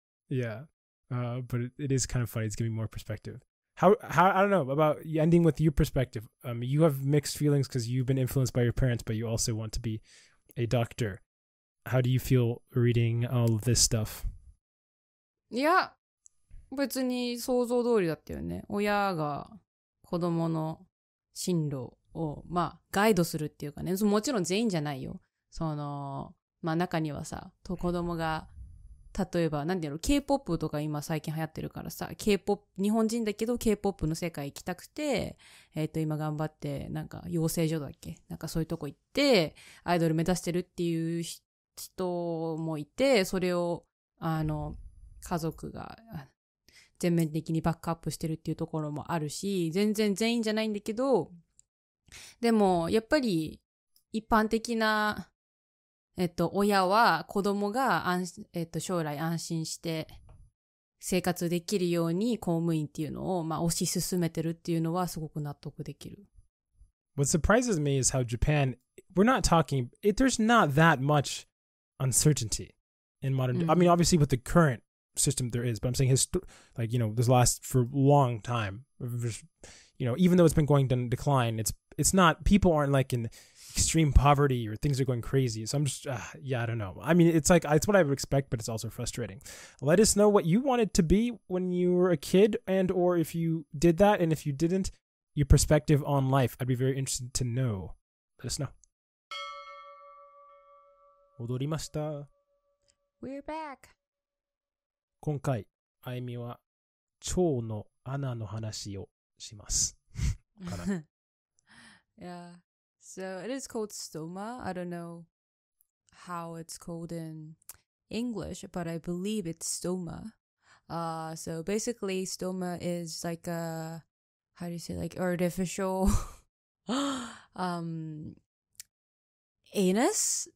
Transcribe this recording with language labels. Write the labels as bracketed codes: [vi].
[en] Yeah. But it is kind of funny. It's giving more perspective. How I don't know about ending with your perspective. You have mixed feelings because you've been influenced by your parents, but you also want to be a doctor. How do you feel reading all of this stuff? Yeah, [ja] 別に想像通りだったよね。親が子供の進路をまあガイドするっていうかね。もちろん全員じゃないよ。そのまあ中にはさ、と子供が例えば、何だろう、K-POP とか今最近流行ってるからさ、K-POP、日本人だけど K-POP の世界行きたくて、今頑張って、なんか養成所だっけ、なんかそういうとこ行って、アイドル目指してるっていう人もいて、それを、家族が全面的にバックアップしてるっていうところもあるし、全然全員じゃないんだけど、でも、やっぱり、一般的な、親は子供が将来安心して生活できるように公務員っていうのを、まあ、推し進めてるっていうのはすごく納得できる。 [en] What surprises me is how Japan, we're not talking, there's not that much uncertainty in modern, I mean, obviously with the current system there is, but I'm saying like, you know, this lasts for a long time. You know, even though it's been going down decline, it's not, people aren't like in extreme poverty or things are going crazy. So I'm just, I don't know. I mean, it's like, it's what I would expect, but it's also frustrating. Let us know what you wanted to be when you were a kid and or if you did that. And if you didn't, your perspective on life. I'd be very interested to know. Let us know. [ja] 踊りました。 [en] We're back. [ja] 今回、あゆみは腸の穴の話をします。 [en] Yeah. So it is called stoma. I don't know how it's called in English, but I believe it's stoma. So basically stoma is like a, how do you say, like artificial anus?